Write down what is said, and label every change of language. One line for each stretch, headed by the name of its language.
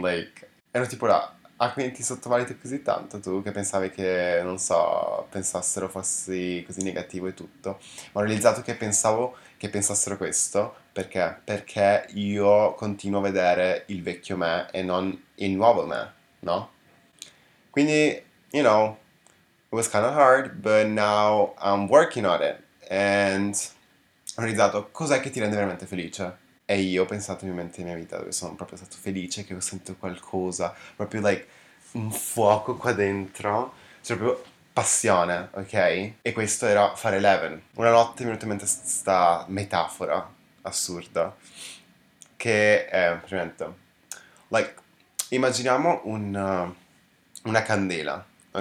Italian: Like, ero tipo là. Ah, quindi ti sottovaluti così tanto tu che pensavi che, non so, pensassero fossi così negativo e tutto. Ma ho realizzato che pensavo che pensassero questo perché? Perché io continuo a vedere il vecchio me e non il nuovo me, no?
English: Quindi, you know, it was kind of hard, but now I'm working on it.
Italian: And ho realizzato cos'è che ti rende veramente felice. E io ho pensato in mente nella mia vita dove sono proprio stato felice, che ho sentito qualcosa, proprio like un fuoco qua dentro, cioè proprio passione, ok? E questo era fare Eleven. Una notte mi è venuta in mente questa metafora assurda, che è praticamente, like, immaginiamo una candela, ok?